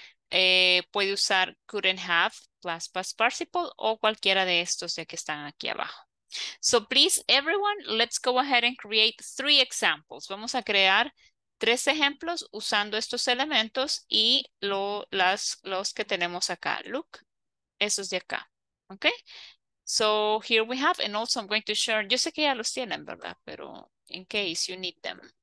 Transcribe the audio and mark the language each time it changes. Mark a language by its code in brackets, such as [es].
[es] Puede usar [en] couldn't have plus past participle, [es] o cualquiera de estos de que están aquí abajo. [en] So please, everyone, let's go ahead and create three examples. [es] Vamos a crear tres ejemplos usando estos elementos y los que tenemos acá. [en] Look, [es] esos de acá. [en] Okay. So here we have, and also I'm going to share, [es] yo sé que ya los tienen, ¿verdad? Pero [en] in case you need them.